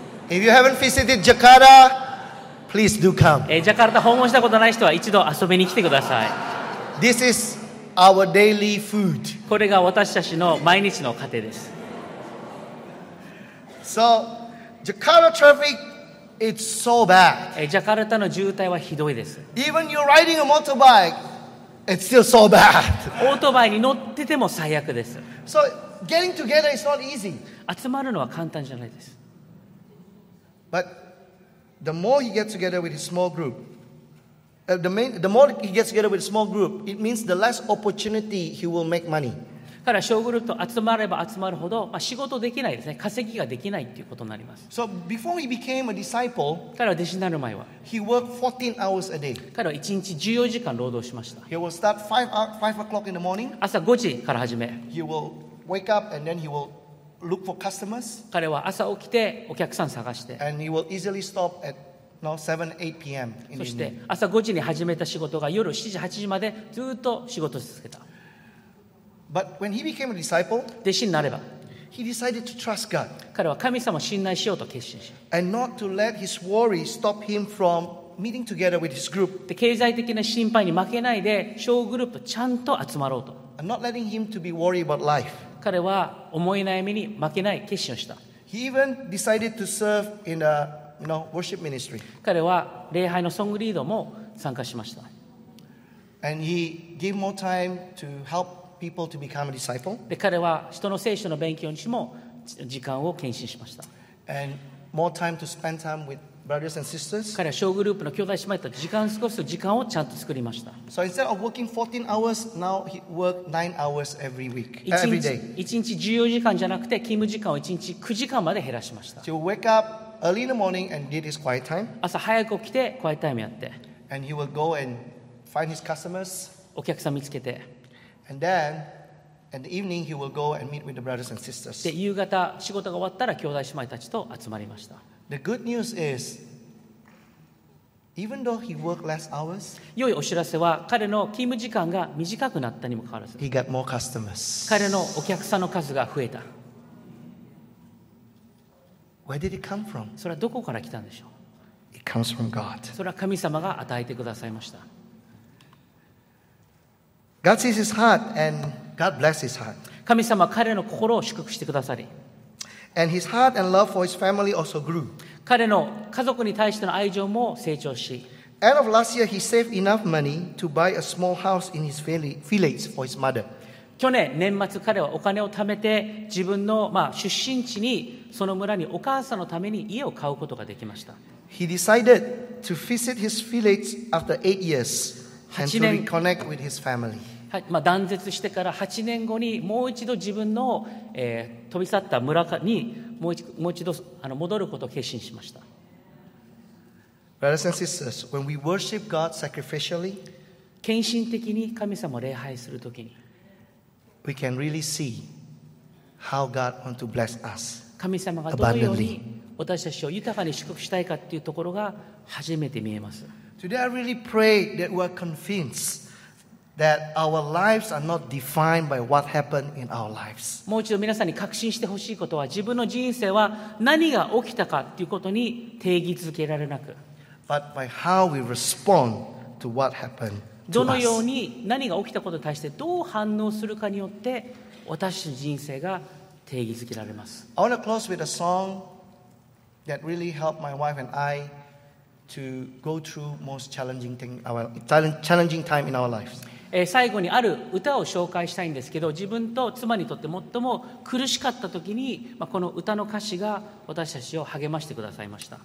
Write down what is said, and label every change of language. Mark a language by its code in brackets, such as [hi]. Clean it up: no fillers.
[en] If you haven't visited Jakarta, please do come. [ja] ジャカルタ訪問したことない人は一度遊びに来てください。 [en] This is our daily food. [ja] これが私たちの毎日の糧です。 [en] So, Jakarta traffic, it's so bad. [ja] ジャカルタの渋滞はひどいです。 [en] Even you're riding a motorbike, it's still so bad. [ja] オートバイに乗ってても最悪です。 [en] So, getting together is not easy. [ja] 集まるのは簡単じゃないです。 [en] But the more he gets together with his small group, the more he gets together with a small group, it means the less opportunity he will make money. [ja] から小グループと集まれば集まるほど、まあ、仕事できないですね、稼ぎができないっていうことになります。 [en] So before he became a disciple, [ja] 彼は弟子になる前は、 [en] he worked 14 hours a day. [ja] 彼は1日14時間労働しました。 [en] He will start 5 o'clock in the morning. [ja] 朝5時から始め。 [en] He will wake up and then he will. Look for customers, [ja] 彼は朝起きてお客さん探して [en] and he will easily stop at, no, 7, 8pm in the evening. [ja] そして朝5時に始めた仕事が夜7時8時までずっと仕事を続けた。 [en] But when he became a disciple, [ja] 弟子になれば [en] he decided to trust God. [ja] 彼は神様を信頼しようと決心し [en] and not to let his worry stop him from meeting together with his group. [ja] で経済的な心配に負けないで小グループとちゃんと集まろうと [en] and not letting him to be worried about life. [ja] 彼は思い悩みに負けない決心をした。 [en] He even decided to serve in a, you know, worship ministry. [ja] 彼は礼拝のソングリードも参加しました。 [en] And he gave more time to help people to become a disciple. [ja] で彼は人の聖書の勉強にも時間を献身しました。 [en] And more time to spend time with brothers and sisters. [ja] 彼は小グループの兄弟姉妹と時間を過ごす時間をちゃんと作りました。 [en] So instead of working 14 hours, now he worked 9 hours every week, every day. [ja] 1日14時間じゃなくて勤務時間を1日9時間まで減らしました。 [en] So he wake up early in the morning and did his quiet time. [ja] 朝早く起きてクワイエットタイムやって。 [en] And he will go and find his customers. [ja] お客さん見つけて。 [en] And then, in the evening, he will go and meet with the brothers and sisters. [ja] で夕方仕事が終わったら兄弟姉妹たちと集まりました。 [en] The good news is, even though he worked less hours, [ja] 良いお知らせは彼の勤務時間が短くなったにもかかわらず [en] he got more customers. [ja] 彼のお客さんの数が増えた。 [en] Where did it come from? [ja] それはどこから来たんでしょう? [en] It comes from God. [ja] それは神様が与えてくださいました。 [en] God sees his heart and God bless his heart. [ja] 神様は彼の心を祝福してくださり、 [en] And his heart and love for his family also grew. [ja] 彼の家族に対しての愛情も成長し。 [en] End of last year, he saved enough money to buy a small house in his village for his mother. [ja] 去年年末彼はお金を貯めて自分の、まあ、出身地にその村にお母さんのために家を買うことができました。 [en] He decided to visit his village after 8 years and to reconnect with his family. [ja] まあ、断絶してから8年後にもう一度自分の、飛び去った村にもう一度戻ることを決心しました。 [en] Brothers and sisters, when we worship God sacrificially, [ja] 献身的に神様を礼拝するときに、 [en] we can really see how God wants to bless us. [ja] 神様がどのように私たちを豊かに祝福したいかというところが初めて見えます。 [en] Today I really pray that we are convinced that our lives are not defined by what happened in our lives. [ja] もう一度皆さんに確信してほしいことは、自分の人生は何が起きたかということに定義づけられなく、 [en] but by how we respond to what happened to us. [ja] どのように何が起きたことに対してどう反応するかによって、私たちの人生が定義づけられます。 [en] I want to close with a song that really helped my wife and I. To go through most challenging time in our lives. [ja] 最後にある歌を紹介したいんですけど、自分と妻にとって最も苦しかった時に、まあ、この歌の歌詞が私たちを励ましてくださいました。